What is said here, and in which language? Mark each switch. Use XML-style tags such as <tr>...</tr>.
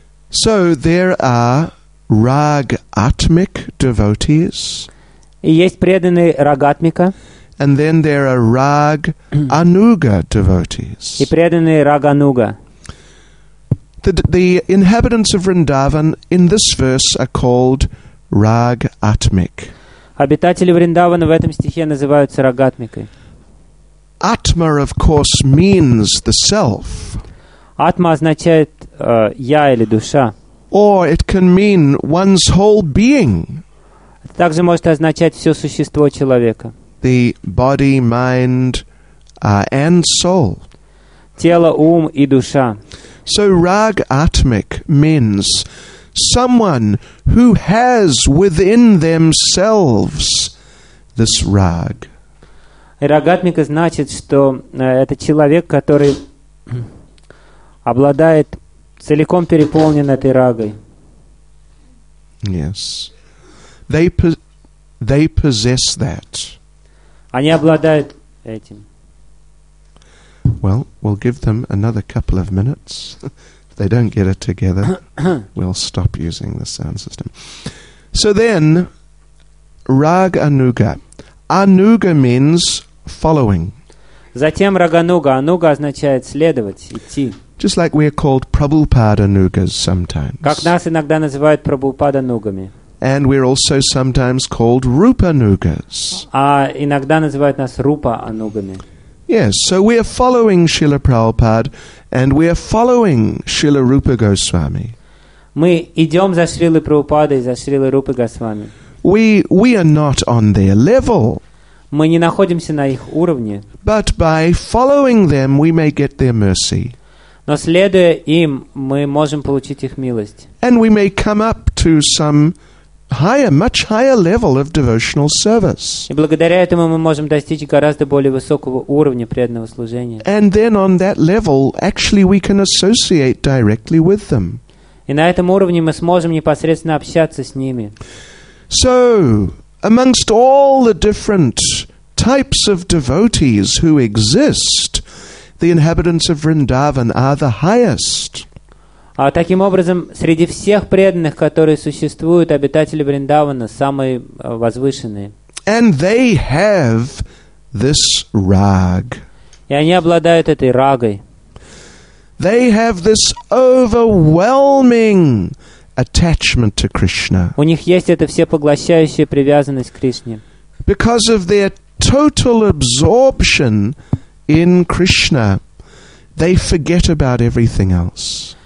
<en>So there are rag-atmic devotees.</en> <ru>И есть преданные рагатмика.</ru> <en>And then there are rag-anuga devotees.</en> <ru>И преданные рагануга.</ru> <en>The inhabitants of Vrindavan in this verse are called rag-atmic.</en> <ru>Обитатели Вриндавана в этом стихе называются рагатмикой.</ru> <en>Atma, of course, means the self.</en> <ru>Atma означает я или душа.</ru> <en>Or it can mean one's whole being.</en> <ru>Это также может означать все существо человека.</ru> <en>The body, mind, and soul.</en> <ru>Тело, ум и душа.</ru> <en>So rag atmic means someone who has within themselves this rag.</en> <ru>Рагатмика значит, что это человек, который обладает целиком переполнен этой рагой.</ru> <en>Yes. They possess that.</en> <ru>Они обладают этим.</ru> <en>Well, we'll give them another couple of minutes. If they don't get it together, we'll stop using the sound system. So then, Rag Anuga. Anuga means following.</en> <ru>Затем Рагануга. Ануга означает следовать, идти.</ru> <en>Just like we are called Prabhupada Anugas sometimes.</en> <ru>Как нас иногда называют Прабхупада Анугами.</ru> <en>And we are also sometimes called Rupa Anugas.</en> <ru>А иногда называют нас Рупа Анугами.</ru> <en>Yes, so we are following Srila Prabhupada and we are following Srila Rupa Goswami.</en> <ru>Мы идем за Шрилой Прабхупадой и за Шрилой Рупой Госвами.</ru> <en>We are not on their level.</en> <ru>Мы не находимся на их уровне.</ru> <en>But by following them, we may get their mercy.</en> <ru>Но следуя им, мы можем получить их милость.</ru> <en>And we may come up to some higher, much higher level of devotional service.</en> <ru>И благодаря этому мы можем достичь гораздо более высокого уровня преданного служения.</ru> <en>And then on that level, actually we can associate directly with them.</en> <ru>И на этом уровне мы сможем непосредственно общаться с ними.</ru> <en>So, amongst all the different types of devotees who exist, the inhabitants of Vrindavan are the highest.</en> <ru>Таким образом, среди всех преданных, которые существуют, обитатели Вриндавана самые возвышенные.</ru> <en>And they have this rag.</en> <ru>И они обладают этой рагой.</ru> <en>They have this overwhelming attachment to Krishna.</en> <ru>У них есть эта всепоглощающая привязанность к Кришне.</ru> <en>Because of their total absorption in Krishna, they forget about everything else.</en>